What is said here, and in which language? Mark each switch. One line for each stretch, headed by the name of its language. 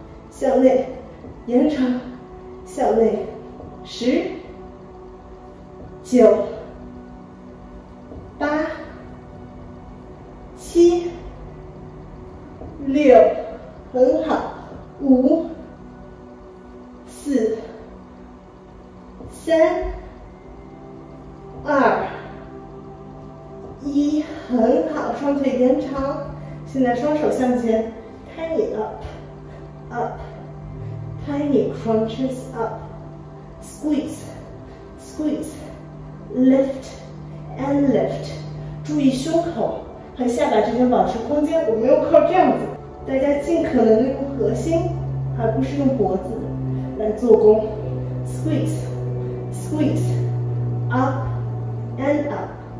Chinese: 向内，延长，向内，十、九、八、七、六，很好，五、四、三、二、一，很好，双腿延长，现在双手向前，开你了。
English: Up, tiny crunches up, squeeze, squeeze, lift and lift.
Chinese: 注意胸口和下巴之间保持空间，我们用靠这样子，大家尽可能用核心，而不是用脖子来做功。
English: Squeeze, squeeze, up and up.